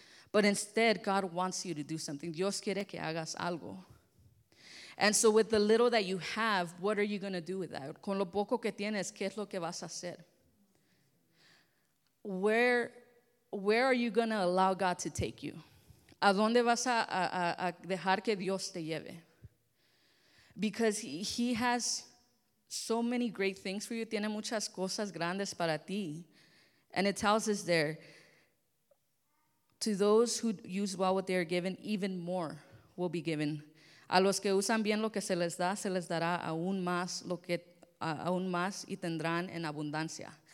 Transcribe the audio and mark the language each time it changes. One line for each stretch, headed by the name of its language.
English: But instead, God wants you to do something.
Spanish: Dios quiere que hagas algo.
English: And so with the little that you have, what are you going to do with that?
Spanish: Con lo poco que tienes, ¿qué es lo que vas a hacer?
English: Where are you going to allow God to take you?
Spanish: ¿A dónde vas a dejar que Dios te lleve?
English: Because he has so many great things for you.
Spanish: Tiene muchas cosas grandes para ti.
English: And it tells us there, to those who use well what they are given, even more will be given.
Spanish: A los que usan bien lo que se les dará aún más lo que aún más y tendrán en abundancia.